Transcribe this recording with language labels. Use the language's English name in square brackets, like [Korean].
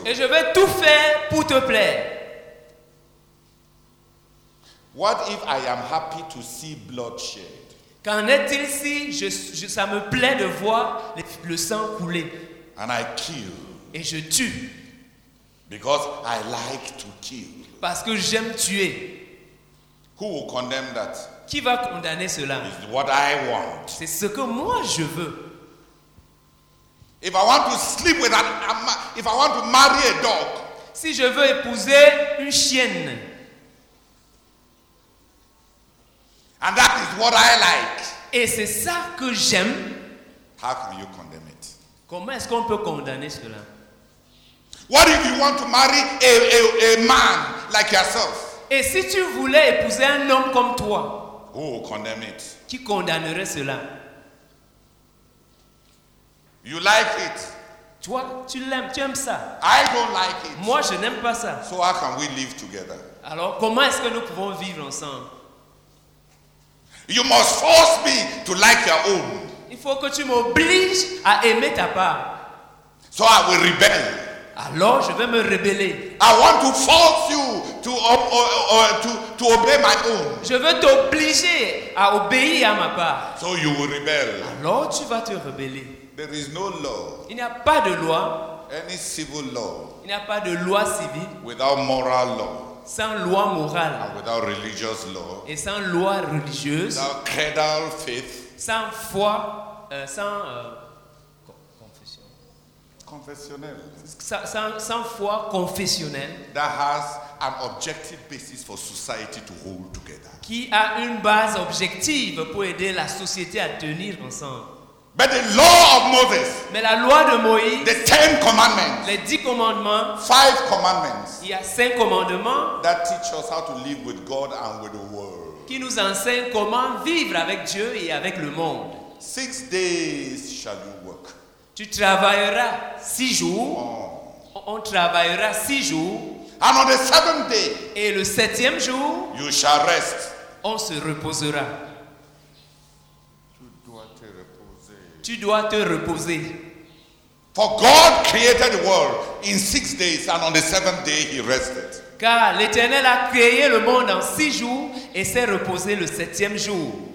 [French] Et je vais tout faire pour te plaire. [English] What if I am happy to see bloodshed? [French] Qu'en est-il si ça me plaît de voir le sang couler? [English] And I kill. [French] Et je tue. [English] Because I like to kill. [French] Parce que j'aime tuer. [English] Who will condemn that? [French] Qui va condamner cela? [English] It's what I want. [French] C'est ce que moi je veux. [English] If I want to sleep with an animal, if I want to marry a dog, [French] si je veux épouser une chienne, [English] and that is what I like, [French] et c'est ça que j'aime, [English] how can you condemn it? [French] Comment est-ce qu'on peut condamner cela? [English] What if you want to marry a man like yourself? [French] Et si tu voulais épouser un homme comme toi, [English] who will condemn it? [French] Qui condamnerait cela? [English] You like it. [French] Toi, tu l'aimes, tu aimes ça. [English] I don't like it. [French] Moi, je n'aime pas ça. [English] So how can we live together? [French] Alors, comment est-ce que nous pouvons vivre ensemble? [English] You must force me to like your own. [French] Il faut que tu m'obliges à aimer ta part. [English] So I will rebel. [French] Alors, je vais me rebeller. [English] I want to force you to obey my own. [French] Je veux t'obliger à obéir à ma part. [English] So you will rebel. [French] Alors, tu vas te rebeller. [English] There is no law. [French] Il n'y a pas de loi. [English] Any civil law. [French] Il n'y a pas de loi civile. [English] Without moral law. [French] Sans loi morale. [English] And without religious law. [French] Et sans loi religieuse. [English] Without credal faith. [French] Sans foi, confession. Confessionnel. Sans foi confessionnelle. [English] That has an objective basis for society to hold together. [French] Qui a une base objective pour aider la société à tenir ensemble. [English] But the law of Moses, [French] mais la loi de Moïse, [English] the Ten Commandments, [French] les dix commandements, [English] five commandments, [French] il y a cinq commandements, [English] that teach us how to live with God and with the world, [French] qui nous enseigne comment vivre avec Dieu et avec le monde. [English] 6 days shall you work. [French] Tu travailleras 6 jours. On travaillera 6 jours. [English] And on the seventh day, [French] et le septième jour, [English] you shall rest. [French] On se reposera. Tu dois te reposer. [English] For God created the world in 6 days, and on the seventh day he rested. [French] Car l'Éternel a créé le monde en 6 jours et s'est reposé le septième jour.